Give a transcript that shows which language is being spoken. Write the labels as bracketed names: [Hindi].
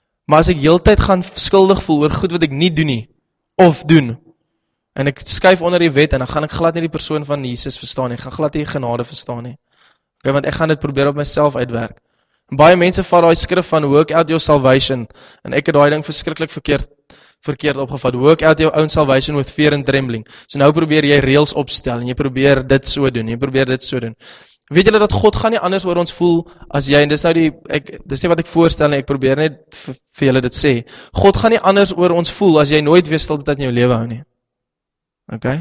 [Afrikaans] Maar as ek heeltyd gaan skuldig voel oor goed wat ek nie doen nie, of doen, en ek skuif onder die wet, en dan gaan ek glad nie die persoon van Jesus verstaan nie, ek gaan glad nie die genade verstaan nie. Okay, want ek gaan dit probeer op myself uitwerk. Baie mense vat daai skrif van [English] work out your salvation, [Afrikaans] en ek het daai ding verskriklik verkeerd opgevat. [English] Work out your own salvation with fear and trembling. [Afrikaans] So nou probeer jy reels opstel, en jy probeer dit so doen. Weet julle dat God gaan nie anders oor ons voel as jy, en dis nou die, dis nie wat ek voorstel, en ek probeer net vir julle dit sê. God gaan nie anders oor ons voel as jy nooit weer stil dit in jou lewe hou nie. Okay?